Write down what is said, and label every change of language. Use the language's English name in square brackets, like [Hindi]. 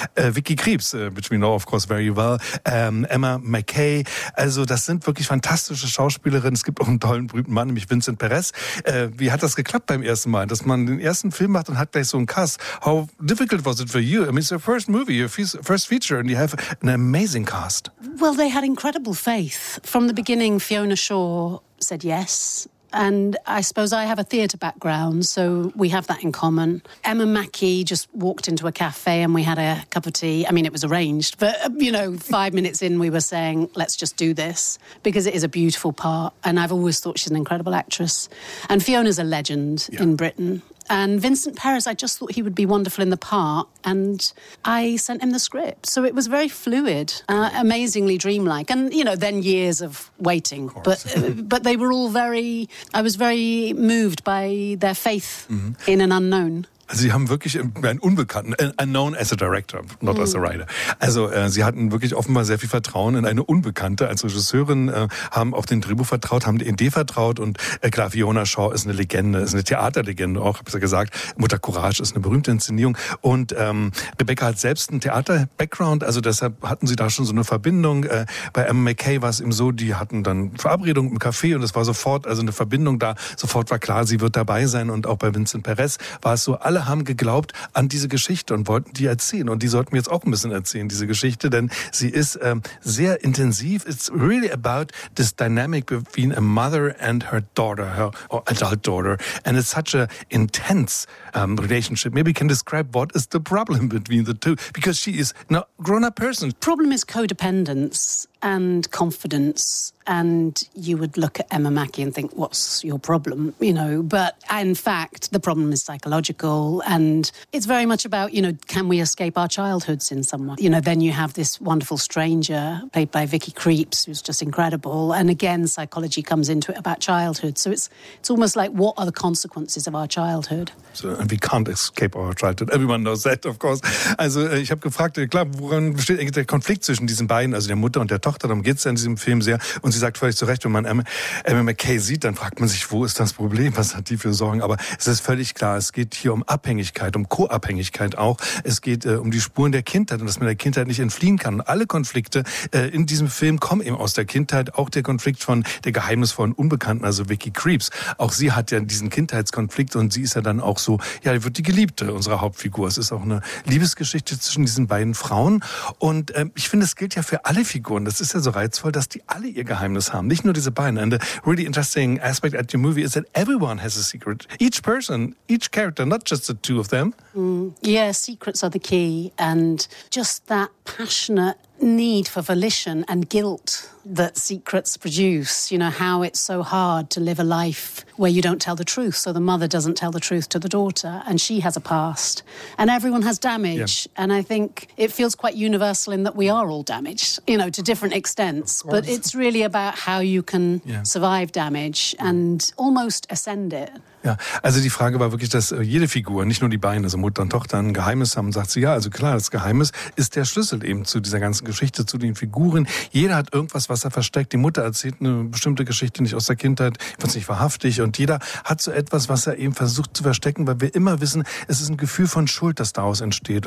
[English] Vicky Krieps, which we know of course very well. Emma McKay. [German] Also das sind wirklich fantastische Schauspielerinnen. Es gibt auch einen tollen, berühmten Mann, nämlich Vincent Perez. Wie hat das geklappt beim ersten Mal, dass man den ersten Film macht und hat gleich so einen Cast? [English] How difficult was it for you? I mean, it's your first movie, your first feature, and you have an amazing cast. Well, they had incredible faith. From the beginning, Fiona Shaw said yes. And I suppose I have a theatre background, so we have that in common. Emma Mackey just walked into a cafe and we had a cup of tea. I mean, it was arranged, but, you know, 5 minutes in we were saying, let's just do this, because it is a beautiful part. And I've always thought she's an incredible actress. And Fiona's a legend in Britain. And Vincent Perez, I just thought he would be wonderful in the part. And I sent him the script. So it was very fluid, amazingly dreamlike. And, you know, then years of waiting. Of but they were all very, I was very moved by their faith in an unknown. [German] Also sie haben wirklich einen Unbekannten, [English] unknown as a director, not as a writer. [German] Also sie hatten wirklich offenbar sehr viel Vertrauen in eine Unbekannte als Regisseurin, haben auf den Drehbuch vertraut, haben die Idee vertraut und klar, Fiona Shaw ist eine Legende, ist eine Theaterlegende auch, habe ich ja gesagt. Mutter Courage ist eine berühmte Inszenierung und Rebecca hat selbst einen Theater-Background, also deshalb hatten sie da schon so eine Verbindung. Bei Emma McKay war es eben so, die hatten dann Verabredung im Café und es war sofort, also eine Verbindung da, sofort war klar, sie wird dabei sein und auch bei Vincent Perez war es so, alle haben geglaubt an diese Geschichte und wollten die erzählen. Und die sollten wir jetzt auch ein bisschen erzählen, diese Geschichte, denn sie ist sehr intensiv. [English] It's really about this dynamic between a mother and her daughter, her adult daughter. And it's such an intense relationship. Maybe you can describe what is the problem between the two, because she is now a grown-up person. Problem is codependence and confidence. and you would look at Emma Mackey and think, what's your problem, you know? But in fact, the problem is psychological, and it's very much about, you know, can we escape our childhoods in some way? You know, then you have this wonderful stranger played by Vicky Creeps, who's just incredible, and again, psychology comes into it about childhood. So it's almost like, what are the consequences of our childhood? So, and we can't escape our childhood. Everyone knows that, of course. [German] Also, ich habe gefragt, klar, woran besteht eigentlich der Konflikt zwischen diesen beiden, also der Mutter und der Tochter? Darum geht es in diesem Film sehr. Und sie sagt völlig zu Recht, wenn man Emma McKay sieht, dann fragt man sich, wo ist das Problem? Was hat die für Sorgen? Aber es ist völlig klar, es geht hier um Abhängigkeit, um Co-Abhängigkeit auch. Es geht um die Spuren der Kindheit und dass man der Kindheit nicht entfliehen kann. Und alle Konflikte in diesem Film kommen eben aus der Kindheit. Auch der Konflikt von der geheimnisvollen Unbekannten, also Vicky Creeps. Auch sie hat ja diesen Kindheitskonflikt und sie ist ja dann auch so, ja, wird die Geliebte unserer Hauptfigur. Es ist auch eine Liebesgeschichte zwischen diesen beiden Frauen. Und ich finde, es gilt ja für alle Figuren. Das ist ja so reizvoll, dass die alle ihr Geheimnis haben. Nicht nur diese beiden. [English] And the really interesting aspect at the movie is that everyone has a secret. Each person, each character, not just the two of them. Yeah, secrets are the key. And just that passionate need for volition and guilt that secrets produce, you know, how it's so hard to live a life where you don't tell the truth. So the mother doesn't tell the truth to the daughter, and she has a past, and everyone has damage. Yeah. And I think it feels quite universal in that we are all damaged, you know, to different extents, but it's really about how you can survive damage and almost ascend it. [German] Ja, also die Frage war wirklich, dass jede Figur, nicht nur die beiden, also Mutter und Tochter, ein Geheimnis haben. Und sagt sie, ja, also klar, das Geheimnis ist der Schlüssel eben zu dieser ganzen Geschichte, zu den Figuren. Jeder hat irgendwas, was er versteckt. Die Mutter erzählt eine bestimmte Geschichte nicht aus der Kindheit, was nicht wahrhaftig. Und jeder hat so etwas, was er eben versucht zu verstecken, weil wir immer wissen, es ist ein Gefühl von Schuld, das daraus entsteht.